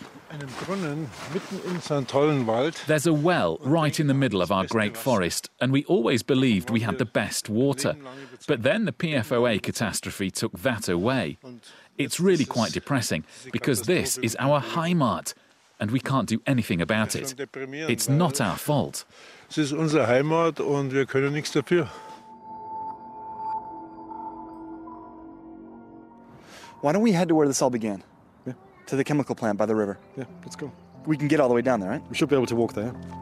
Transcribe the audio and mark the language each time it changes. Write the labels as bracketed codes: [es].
[en] There's a well right in the middle of our great forest, and we always believed we had the best water. But then the PFOA catastrophe took that away. It's really quite depressing, because this is our Heimat, and we can't do anything about it. It's not our fault. [de] Es ist unsere Heimat und wir können nichts dafür. [en] Why don't we head to where this all began? Yeah. To the chemical plant by the river. Yeah, let's go. We can get all the way down there, right? We should be able to walk there.